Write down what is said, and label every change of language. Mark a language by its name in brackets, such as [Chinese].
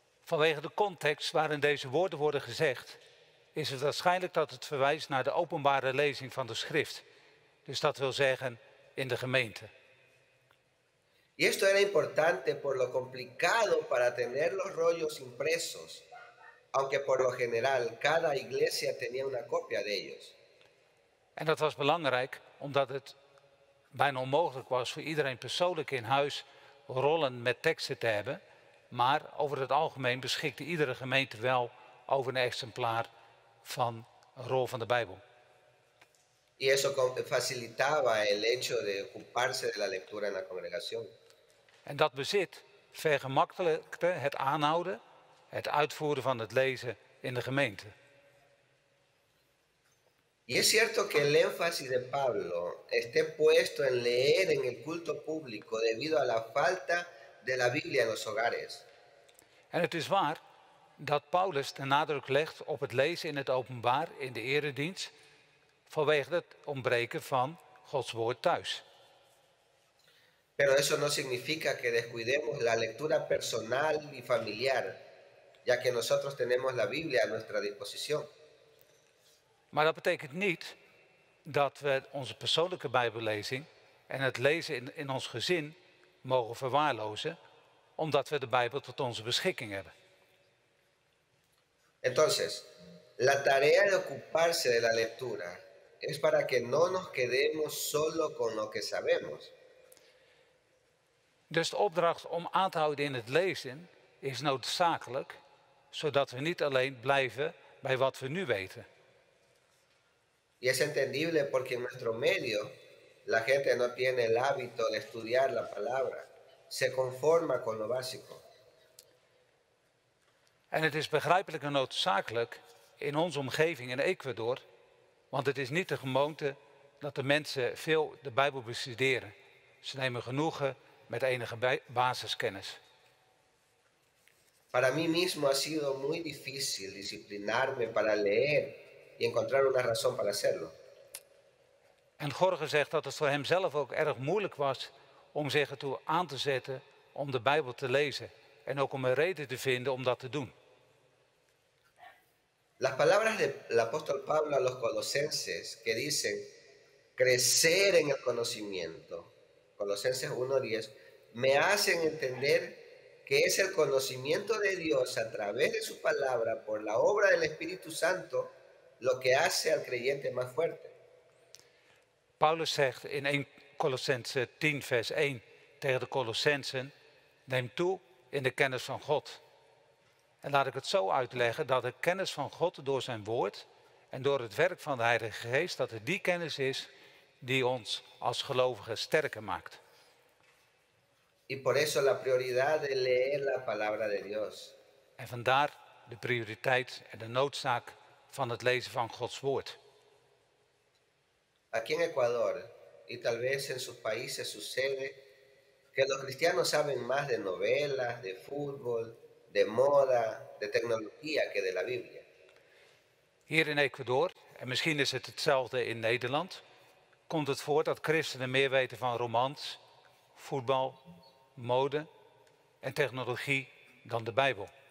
[Dutch] Vanwege de context waarin deze woorden worden gezegd, is het waarschijnlijk dat het verwijst naar de openbare lezing van de schrift. Dus dat wil zeggen in de gemeente. [Spanish] Y esto era importante por lo complicado para tener los rollos impresos, aunque por lo general cada iglesia tenía una copia de ellos. [Dutch] En dat was belangrijk omdat het bijna onmogelijk was voor iedereen persoonlijk in huis rollen met teksten te hebben, maar over het algemeen beschikte iedere gemeente wel over een exemplaar van een rol van de Bijbel. [Spanish] Y eso facilitaba el hecho de ocuparse de la lectura en la congregación. [Dutch] En dat bezit vergemakkelijkte het aanhouden, het uitvoeren van het lezen in de gemeente. [Spanish] Y es cierto que el énfasis de Pablo esté puesto en leer en el culto público debido a la falta de la Biblia en los hogares. [Dutch] En het is waar dat Paulus de nadruk legt op het lezen in het openbaar in de eredienst vanwege het ontbreken van Gods woord thuis. [Spanish] Pero eso no significa que descuidemos la lectura personal y familiar, ya que nosotros tenemos la Biblia a nuestra disposición. [Dutch] Maar dat betekent niet dat we onze persoonlijke Bijbellezing en het lezen in ons gezin mogen verwaarlozen, omdat we de Bijbel tot onze beschikking hebben. [Spanish] Entonces, la tarea de ocuparse de la lectura es para que no nos quedemos solo con lo que sabemos. [Dutch] Dus de opdracht om aan te houden in het lezen is noodzakelijk, zodat we niet alleen blijven bij wat we nu weten. [Spanish] Y es entendible porque en nuestro medio la gente no tiene el hábito de estudiar la palabra. Se conforma con lo básico. [Dutch] En het is begrijpelijk en noodzakelijk in onze omgeving in Ecuador, want het is niet de gewoonte dat de mensen veel de Bijbel bestuderen. Ze nemen genoegen met enige basiskennis. [Spanish] Para mí mismo ha sido muy difícil disciplinarme para leer y encontrar una razón para hacerlo. [Dutch] En Jorge zegt dat het voor hemzelf ook erg moeilijk was om zich ertoe aan te zetten om de Bijbel te lezen en ook om een reden te vinden om dat te doen. [Spanish] Las palabras del apóstol Pablo a los colosenses que dicen crecer en el conocimiento, Colosenses 1:10, me hacen entender que es el conocimiento de Dios a través de su palabra por la obra del Espíritu Santo lo que hace al creyente más fuerte. [Dutch] Paulus zegt in 1 Colossenzen 10 vers 1 tegen de Colossenzen: neem toe in de kennis van God. En laat ik het zo uitleggen dat de kennis van God door zijn woord en door het werk van de Heilige Geest, dat het die kennis is die ons als gelovigen sterker maakt. [Spanish] Y por eso la prioridad de leer la palabra de Dios. [Dutch] En vandaar de prioriteit en de noodzaak van het lezen van Gods woord. [Spanish] Aquí en Ecuador, y tal vez en sus países sucede que los cristianos saben más de novelas, de fútbol, de moda, de tecnología que de la Biblia. [Dutch] Hier in Ecuador, en misschien is het hetzelfde in Nederland, komt het voor dat christenen meer weten van romans, voetbal, mode en technologie dan de Bijbel.